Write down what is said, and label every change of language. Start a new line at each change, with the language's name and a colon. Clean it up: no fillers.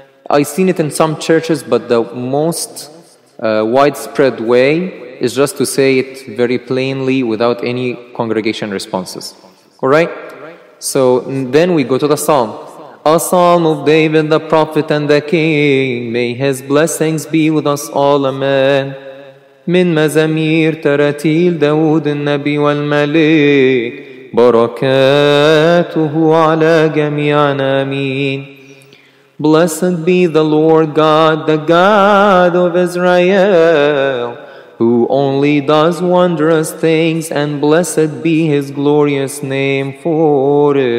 English: I seen it in some churches, but the most widespread way is just to say it very plainly without any congregation responses. All right? So then we go to the psalm. A psalm of David the prophet and the king, may his blessings be with us all. Amen.
Arabic: من مزامير ترتيل داود النبي والملك بركاته على جميعنا آمين.
English: Blessed be the Lord God, the God of Israel, who only does wondrous things, and blessed be his glorious name forever.